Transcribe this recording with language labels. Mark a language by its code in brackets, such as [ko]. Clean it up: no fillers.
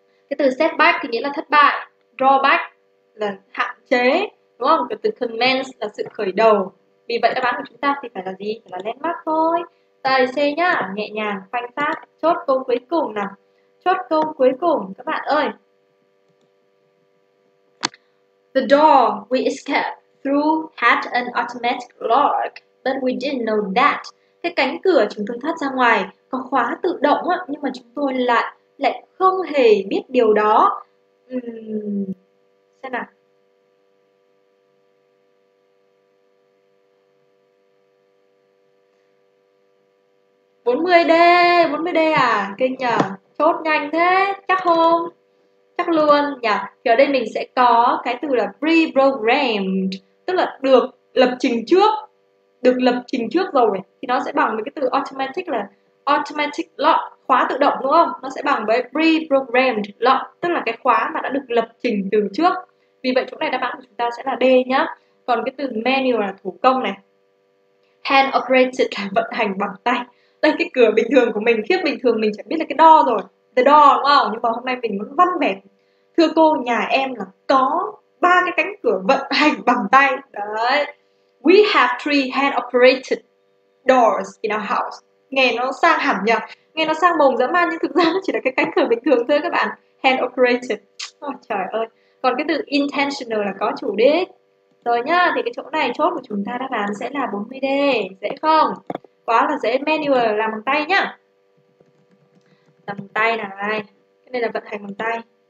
[vi] Cái từ setback thì nghĩa là thất bại, drawback là hạn chế, đúng không? Cái từ commence là sự khởi đầu. Vì vậy đáp án của chúng ta thì phải là gì? Phải là landmark thôi. Tài C nhá, nhẹ nhàng, phanh phát. Chốt câu cuối cùng nào. Chốt câu cuối cùng các bạn ơi. [en] The door we escaped through had an automatic lock, but we didn't know that. [vi] Cái cánh cửa chúng tôi thoát ra ngoài có khóa tự động á, nhưng mà chúng tôi lại lại không hề biết điều đó. Xem nào. Bốn mươi D à, kinh nhờ. Chốt nhanh thế, chắc không? Chắc luôn nhỉ. Thì ở đây mình sẽ có cái từ là pre-programmed, tức là được lập trình trước. Được lập trình trước rồi thì nó sẽ bằng với cái từ automatic là automatic lock, khóa tự động, đúng không? Nó sẽ bằng với pre-programmed lock, tức là cái khóa mà đã được lập trình từ trước. Vì vậy chỗ này đáp án của chúng ta sẽ là D nhá. Còn cái từ manual là thủ công này. Hand operated là vận hành bằng tay. Đây, cái cửa bình thường của mình, khiếp bình thường mình chẳng biết là cái đo rồi. [en] The door, [vi] đúng không? Nhưng mà hôm nay mình muốn văn vẻ. Thưa cô, nhà em là có ba cái cánh cửa vận hành bằng tay. Đấy. [en] We have three hand operated doors in our house. [vi] Nghe nó sang hẳn nhỉ? Nghe nó sang mồm dã man, nhưng thực ra nó chỉ là cái cánh cửa bình thường thôi các bạn. Hand operated. Ôi, trời ơi. Còn cái từ intentional là có chủ đích. Rồi nhá, thì cái chỗ này chốt của chúng ta đáp án sẽ là 40D. Dễ không? Quá là dễ, manual làm bằng tay nhá. Làm bằng tay này, cái này là vận hành bằng tay.